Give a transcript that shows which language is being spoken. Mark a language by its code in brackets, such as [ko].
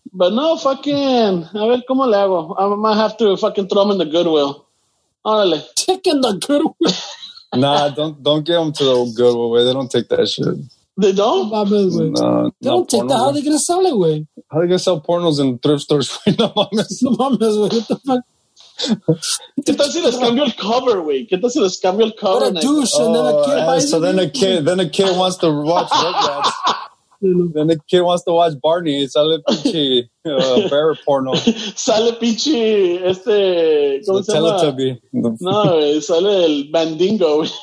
[en] But no, fucking. [es] A ver, ¿cómo le hago? [en] I might have to fucking throw them in the Goodwill. [es] Órale. [en] Take in the Goodwill. Nah, don't give them to the Goodwill, way. They don't take that shit. They don't? No, they don't take that. How are they going to sell it, way? How are they going to sell pornos in thrift stores? [es] No, mames. No, mames, way. [en] What the fuck? [es] ¿Qué tal si les cambio el cover, güey? ¿Qué tal si les cambio el cover? [en] What a douche, and then a kid buys so then a kid wants to watch Rugrats. Then the kid wants to watch Barney. [es] Sale pinche bear porno. Sale pinche este. ¿Cómo se llama? [en] Teletubby. [es] No, sale el Mandingo.